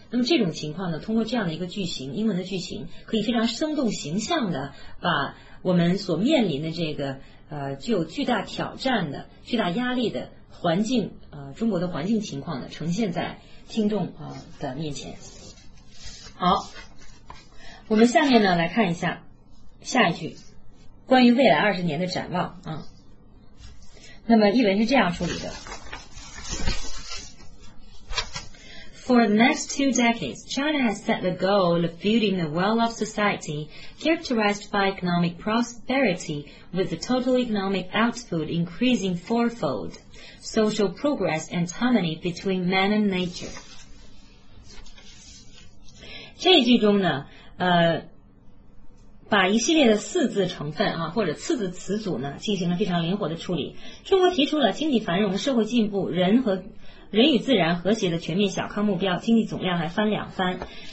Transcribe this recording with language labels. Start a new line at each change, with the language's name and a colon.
Chinese: 那么这种情况呢，通过这样的一个句型，英文的句型可以非常生动形象的把我们所面临的这个具有巨大挑战的、巨大压力的环境中国的环境情况呢呈现在听众的面前。好，我们下面呢来看一下下一句关于未来20年的展望那么译文是这样处理的。
English: For the next two decades, China has set the goal of building a well-off society characterized by economic prosperity, with the total economic output increasing fourfold, social progress and harmony between man and nature.
Chinese: 这一句中呢，把一系列的四字成分啊，或者四字词组呢，进行了非常灵活的处理。中国提出了经济繁荣、社会进步、人与自然和谐的全面小康目标，经济总量还翻两番。